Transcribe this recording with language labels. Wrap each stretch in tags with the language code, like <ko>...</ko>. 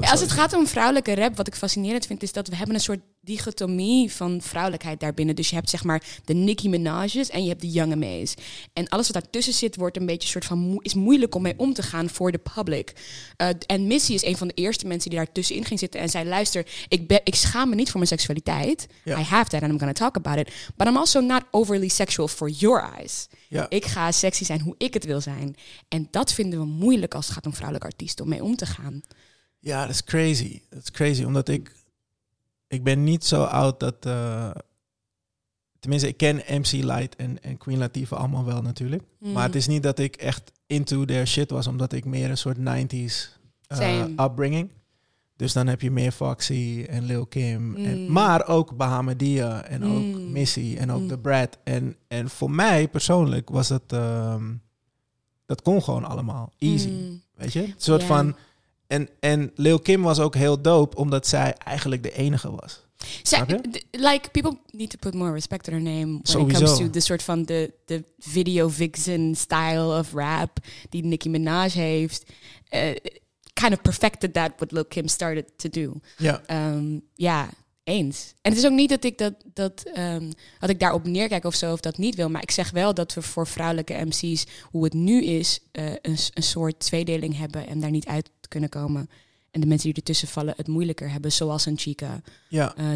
<nl>Als het gaat om vrouwelijke rap, wat ik fascinerend vind, is dat we hebben een soort dichotomie van vrouwelijkheid daarbinnen. Dus je hebt zeg maar de Nicki Minaj's en je hebt de Young M.A.'s. En alles wat daartussen zit, wordt een beetje soort van is moeilijk om mee om te gaan voor de public. En Missy is een van de eerste mensen die daartussenin ging zitten en zei: luister, ik schaam me niet voor mijn seksualiteit.</nl> <en>Yeah. I have that and I'm gonna talk about it. But I'm also not overly sexual for your eyes. Yeah.</en> <nl>Ik ga sexy zijn hoe ik het wil zijn. En dat vinden we moeilijk als het gaat om vrouwelijke artiesten om mee om te gaan. Ja, dat is crazy. Dat is crazy, omdat ik ben niet zo oud dat... Tenminste, ik ken MC Light en Queen Latifah allemaal wel natuurlijk. Mm. Maar het is niet dat ik echt</nl> <en>into their shit</en> <nl>was, omdat ik meer een soort 90s upbringing. Dus dan heb je meer Foxy en Lil' Kim. Mm. Maar ook Bahamadia en ook Missy en ook The Brat. En voor mij persoonlijk was dat... Dat kon gewoon allemaal. Easy. Mm. Weet je? Een soort van... En Lil Kim was ook heel dope, omdat zij eigenlijk de enige was.</nl> <en>Like, people need to put more respect on her name. When</en> <nl>sowieso.</nl> <en>It comes to the sort</en> <nl>van de</nl> <en>video vixen style of rap die Nicki Minaj heeft. Kind of perfected that what Lil Kim started to do.</en> <nl>Ja. Eens. En het is ook niet dat ik dat ik daarop neerkijk of zo, of dat niet wil. Maar ik zeg wel dat we voor vrouwelijke MC's, hoe het nu is, een soort tweedeling hebben en daar niet uit kunnen komen. En de mensen die ertussen vallen het moeilijker hebben, zoals een Chica. Ja.</nl>